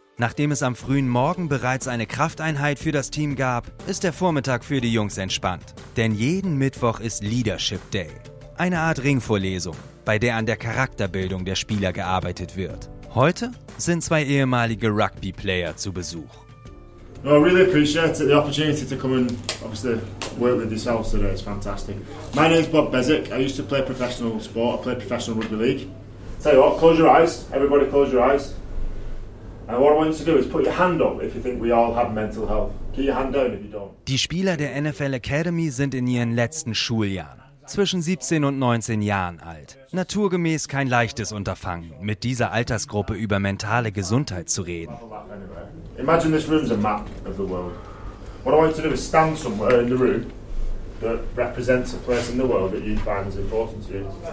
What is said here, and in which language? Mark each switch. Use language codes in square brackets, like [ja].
[de] Nachdem es am frühen Morgen bereits eine Krafteinheit für das Team gab, ist der Vormittag für die Jungs entspannt. Denn jeden Mittwoch ist Leadership Day. Eine Art Ringvorlesung, bei der an der Charakterbildung der Spieler gearbeitet wird. Heute sind zwei ehemalige Rugby-Player zu Besuch. [en] No, I really appreciate the opportunity to come and obviously work with yourselves today. It's fantastic. My name is Bob Bezic. I used to play professional sport. I played professional rugby league. Tell you what, close your eyes. Everybody close your eyes. And what I want you to do is put your hand up if you think we all have mental health. Keep your hand down if you don't. [de] Die Spieler der NFL Academy sind in ihren letzten Schuljahren, zwischen 17 und 19 Jahren alt. Naturgemäß kein leichtes Unterfangen, mit dieser Altersgruppe über mentale Gesundheit zu reden. [en] Imagine this room's a map of the world. What I want you to do is stand somewhere in the room that represents a place in the world that you find is important to you.